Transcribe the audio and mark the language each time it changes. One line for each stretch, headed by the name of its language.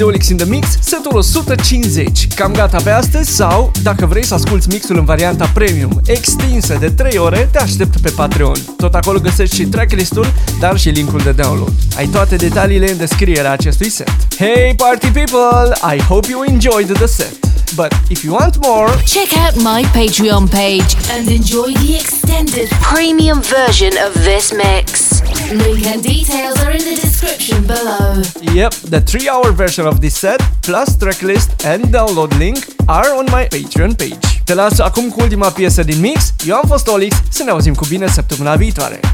Romanian: In the Mix, setul 150, cam gata pe astăzi sau, dacă vrei să asculti mixul în varianta premium, extinsă de 3 ore, te aștept pe Patreon. Tot acolo găsești și tracklist-ul, dar și link-ul de download. Ai toate detaliile în descrierea acestui set.
English: Hey party people, I hope you enjoyed the set. But if you want more, check out my Patreon page and enjoy the extended premium version of this mix. Link and details are in the description below. Yep, the 3-hour version of this set, plus tracklist and download link, are on my Patreon page.
Romanian: Te las acum cu ultima piesă din mix. Eu am fost OLiX, să ne auzim cu bine săptămâna viitoare.